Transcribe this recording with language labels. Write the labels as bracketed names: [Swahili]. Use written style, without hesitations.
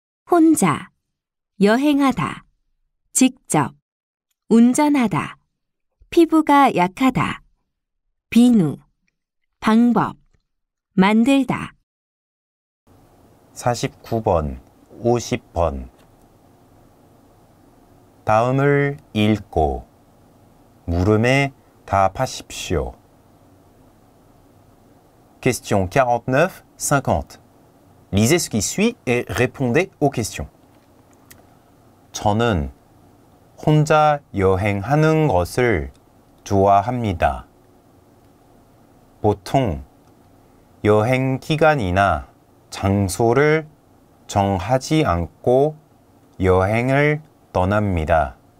[Korean] 혼자, 여행하다, 직접, 운전하다, 피부가 약하다, 비누, 방법, 만들다. 49번, 50번. 다음을 읽고 물음에 답하십시오. [French] Question 49, 50. Lisez ce qui suit et répondez aux questions. [Korean] 저는 혼자 여행하는 것을 좋아합니다. 보통 여행 기간이나 장소를 정하지 않고 여행을 떠납니다.